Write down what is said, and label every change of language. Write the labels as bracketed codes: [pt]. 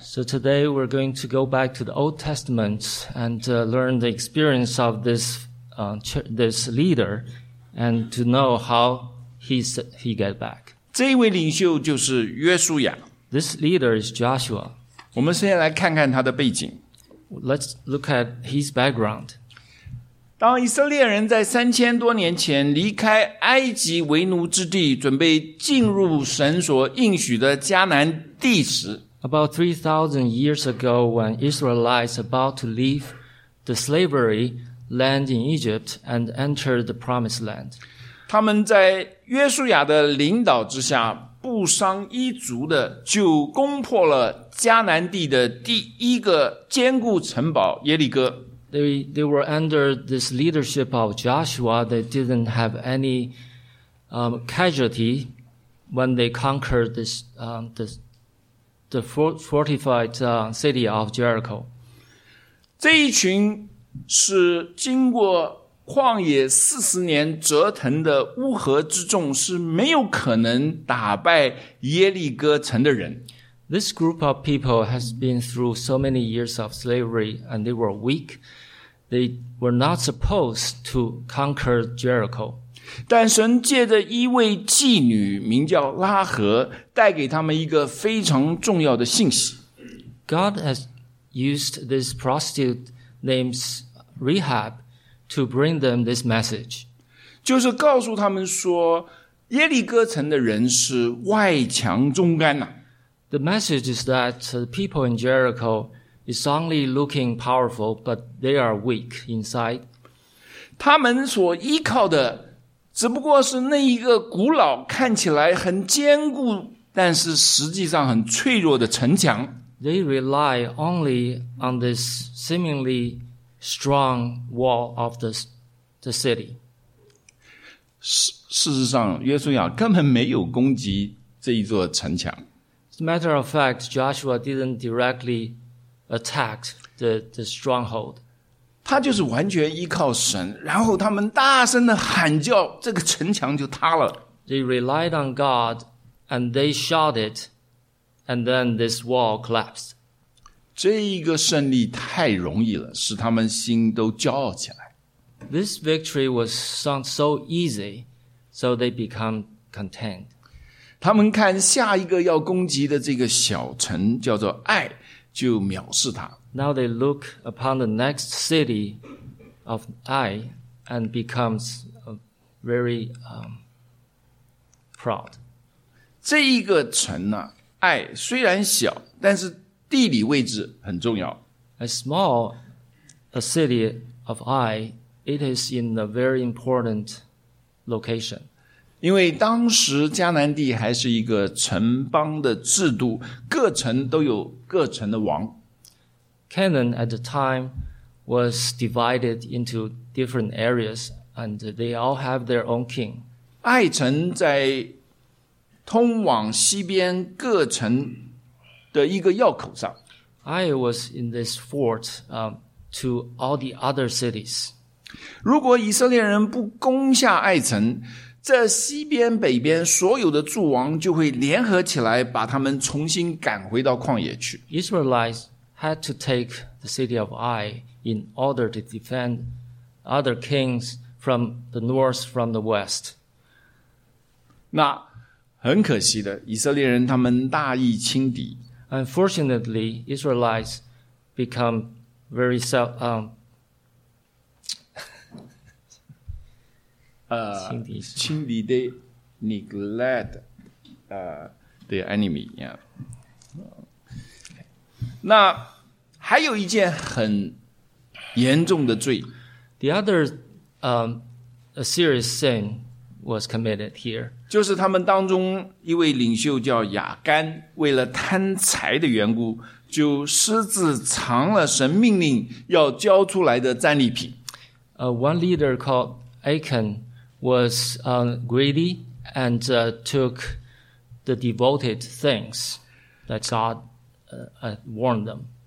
[en] So today we're going to go back to the Old Testament and learn the experience of this this leader and to know how he get back. [zh] 这一位领袖就是约书亚。 [en] This leader is Joshua. [zh] 我们先来看看他的背景。 [en] Let's look at his background. [zh] 当以色列人在3000多年前离开埃及为奴之地，准备进入神所应许的迦南地时。 [en] About 3,000 years ago, when Israelites about to leave the slavery land in Egypt and enter the promised land. [zh] 他们在约书亚的领导之下，不伤一族的就攻破了迦南地的第一个坚固城堡耶利哥。 [en] They were under this leadership of Joshua. They didn't have any casualty when they conquered this the fortified city of Jericho. [zh] 这一群是经过旷野40年折腾的乌合之众，是没有可能打败耶利哥城的人。 [en] This group of people has been through so many years of slavery, and they were weak. They were not supposed to conquer Jericho. [zh] 但神借着一位妓女，名叫拉合，带给他们一个非常重要的信息。 [en] God has used this prostitute named Rahab to bring them this message. [zh] 就是告诉他们说耶利哥城的人是外强中干啊。 [en] The message is that the people in Jericho is only looking powerful, but they are weak inside. [zh] 他们所依靠的只不过是那一个古老看起来很坚固但是实际上很脆弱的城墙。 [en] They rely only on this seemingly strong wall of the city. [zh] 事实上约书亚根本没有攻击这一座城墙。 [en] As a matter of fact, Joshua didn't directly attack the stronghold. [zh] 他就是完全依靠神，然后他们大声的喊叫，这个城墙就塌了。 [en] They relied on God and they shouted, and then this wall collapsed. [zh] 这一个胜利太容易了，使他们心都骄傲起来。 [en] This victory was so easy, so they become content. [zh] 他们看下一个要攻击的这个小城叫做爱，就藐视它。 [en] Now they look upon the next city of Ai and becomes very proud. [zh] 这一个城呢、啊，爱虽然小，但是地理位置很重要。 [en] A city of Ai, it is in a very important location. [zh] 因为当时迦南地还是一个城邦的制度，各城都有各城的王。 [en] Canaan at the time was divided into different areas, and they all have their own king. [zh] 爱城在通往西边各城的一个要口上。 [en] I was in this fort, to all the other cities. [zh] 如果以色列人不攻下爱城，这西边北边所有的诸王就会联合起来把他们重新赶回到旷野去。 [en] Israelites had to take the city of Ai in order to defend other kings from the north, from the west. [zh] 那很可惜的，以色列人他们大意轻敌。 [en] Unfortunately, Israelites become very self, they neglect, their enemy, yeah. [zh] 那还有一件很严重的罪。 [en] The other, a serious sin was committed here. [zh] 就是他们当中一位领袖叫亚干，为了贪财的缘故，就私自藏了神命令要交出来的战利品。 [en] One leader called Achan was greedy and took the devoted things that God warned them.